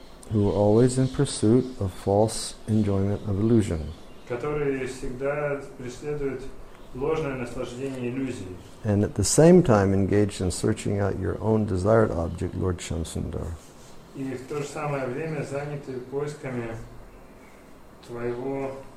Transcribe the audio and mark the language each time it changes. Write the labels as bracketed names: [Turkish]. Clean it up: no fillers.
[English] who are always in pursuit of false enjoyment of illusion. [Russian] Которые всегда преследуют ложное наслаждение иллюзией. [English] And at the same time engaged in searching out your own desired object, Lord Shamsundar. [Russian] И в то же самое время заняты поисками твоего...